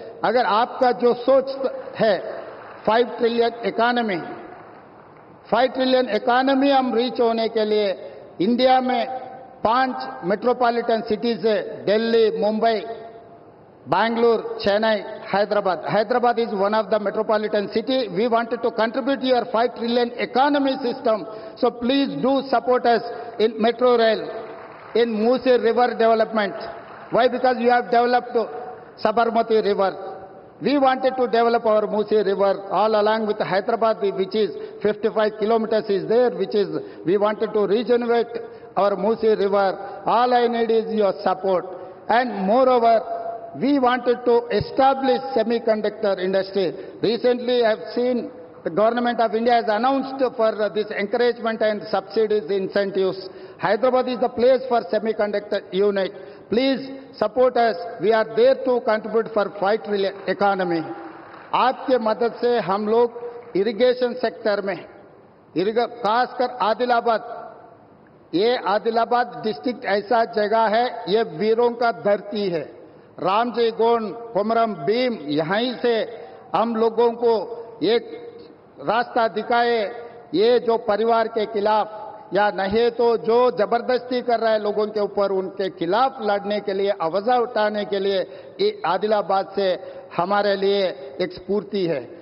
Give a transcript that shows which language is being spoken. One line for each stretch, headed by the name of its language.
Hindi: अगर आपका जो सोच है 5 ट्रिलियन इकॉनमी हम रीच होने के लिए इंडिया में 5 मेट्रोपॉलिटन सिटीज है, Delhi, Mumbai, Bangalore, Chennai, Hyderabad.
English: Hyderabad is one of the metropolitan city. We wanted to contribute your 5 trillion economy system, so please do support us in metro rail, in Musi river development. Why? Because you have developed Sabarmati river. We wanted to develop our Musi River all along with Hyderabad, which is 55 kilometers is there, which is we wanted to regenerate our Musi River. All I need is your support. And moreover, we wanted to establish semiconductor industry. Recently, I have seen the government of India has announced for this encouragement and subsidies incentives. Hyderabad is the place for semiconductor unit. Please support us. We are there to contribute for 5 trillion economy.
Hindi: आपके मदद से हम लोग irrigation sector में खासकर आदिलाबाद, ये Adilabad district ऐसा जगह है, ये वीरों का धरती है। रामजी गोंड, कोमरम भीम, यहीं से हम लोगों को एक रास्ता दिखाए ये जो परिवार के खिलाफ या नहीं तो जो जबरदस्ती कर रहा है लोगों के ऊपर, उनके खिलाफ लड़ने के लिए आवाज़ उठाने के लिए ये आदिलाबाद से हमारे लिए एक स्फूर्ति है।